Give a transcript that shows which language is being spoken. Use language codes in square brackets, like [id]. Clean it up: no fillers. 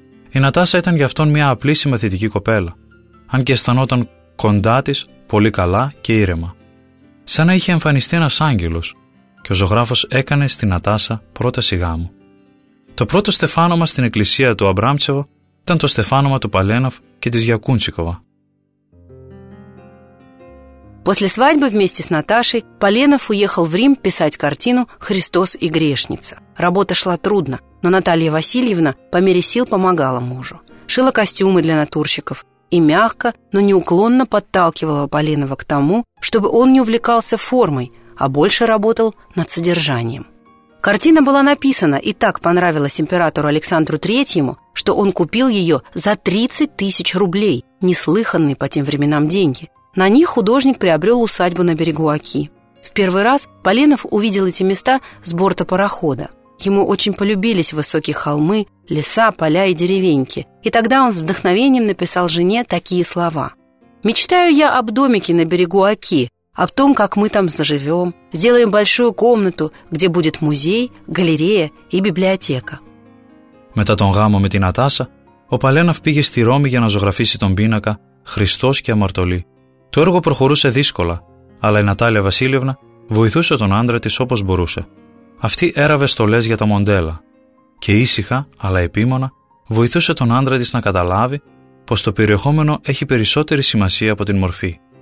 [el] Η Νατάσα ήταν για αυτόν μια απλή συμμαθητική κοπέλα, αν και αισθανόταν κοντά της πολύ καλά και ήρεμα. Σαν να είχε εμφανιστεί ένας άγγελος και ο ζωγράφος έκανε στη Νατάσα πρόταση γάμου. Το πρώτο στεφάνωμα στην εκκλησία του Αμπράμτσεβο ήταν το στεφάνωμα του Παλένοφ και της Γιακούντσικοβα. [ru] После свадьбы вместе с Наташей Поленов уехал в Рим писать картину «Христос и грешница». Работа шла трудно, но Наталья Васильевна по мере сил помогала мужу. Шила костюмы для натурщиков и мягко, но неуклонно подталкивала Поленова к тому, чтобы он не увлекался формой, а больше работал над содержанием. Картина была написана и так понравилась императору Александру Третьему, что он купил ее за 30 тысяч рублей, неслыханные по тем временам деньги. На них художник приобрел усадьбу на берегу Оки. В первый раз Поленов увидел эти места с борта парохода. Ему очень полюбились высокие холмы, леса, поля и деревеньки. И тогда он с вдохновением написал жене такие слова. «Мечтаю я об домике на берегу Оки, об том, как мы там заживем, сделаем большую комнату, где будет музей, галерея и библиотека». [el] Μετά τον γάμο με την Ατάσα, ο Παλένοφ πήγε στη Ρώμη για να ζωγραφίσει τον πίνακα «Χριστός και αμαρτωλή». Το έργο προχωρούσε δύσκολα, αλλά η Νατάλια Βασίλευνα βοηθούσε τον άντρα της όπως μπορούσε. Αυτή έραβε στολές για τα μοντέλα και ήσυχα, αλλά επίμονα, βοηθούσε τον άντρα της να καταλάβει πως το περιεχόμενο έχει περισσότερη σημασία από την μορφή.